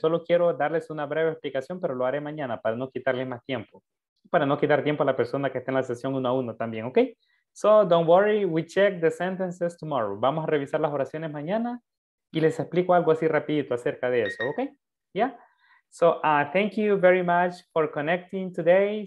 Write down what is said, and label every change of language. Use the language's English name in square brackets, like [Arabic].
[Spanish] Solo quiero darles una breve explicación, pero lo haré mañana para no quitarles más tiempo. Para no quitar tiempo a la persona que está en la sesión uno a uno también, okay? [English] So don't worry, we check the sentences tomorrow. [Spanish] Vamos a revisar las oraciones mañana y les explico algo así rapidito acerca de eso, okay? [English] Yeah? So thank you very much for connecting today.